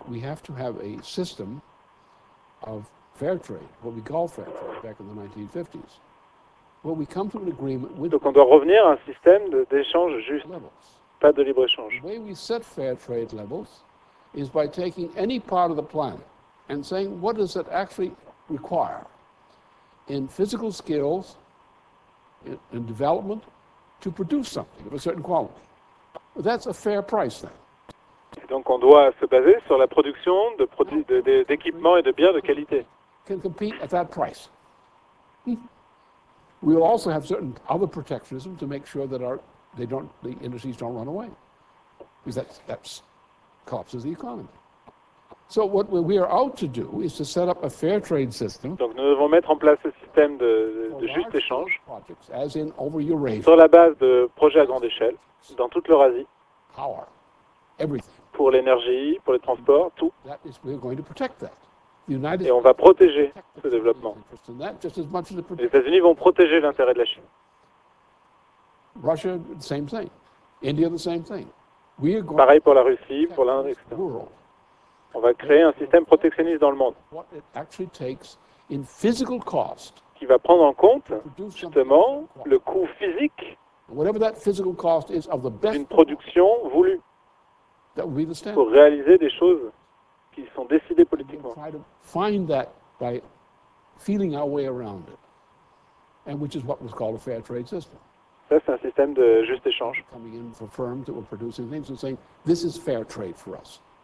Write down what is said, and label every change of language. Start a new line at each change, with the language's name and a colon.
English: We have to have a system of fair trade, what we call fair trade back in the 1950s. Well, we come to an agreement with.
French: Donc on doit revenir à un système d'échange juste, pas de libre-échange.
English: The way we set fair trade levels is by taking any part of the planet and saying what does it actually require in physical skills, in development, to produce something of a certain quality. That's a fair price then.
French: Et donc on doit se baser sur la production d'équipements et de biens de qualité.
English: Can compete at that price. We will also have certain other protectionism to make sure that the industries don't run away, because that collapses the economy. So what we are out to do is to set up a fair trade system.
French: Donc nous devons mettre en place ce système de juste échange
English: projects, as in over Eurasia,
French: sur la base de projets à grande échelle dans toute l'Eurasie.
English: Power, everything.
French: Pour l'énergie, pour les transports, tout.
English: That is, we are going to protect that.
French: Et on va protéger ce développement. Les États-Unis vont protéger l'intérêt de la Chine.
English: Russia, the same thing. India, the same thing. We are going.
French: Pareil pour la Russie, pour l'Inde, etc. On va créer un système protectionniste dans le monde qui va prendre en compte justement le coût physique
English: Whatever that physical cost is of the best
French: d'une production voulue
English: that would be the standard.
French: Pour réaliser des choses qui sont décidées politiquement.
English: We'll try to find that by feeling our way around it, and which is what was called a fair trade system.
French: Ça, c'est un système de juste échange.
English: Coming in for firms that were producing things and saying, this is fair trade for us.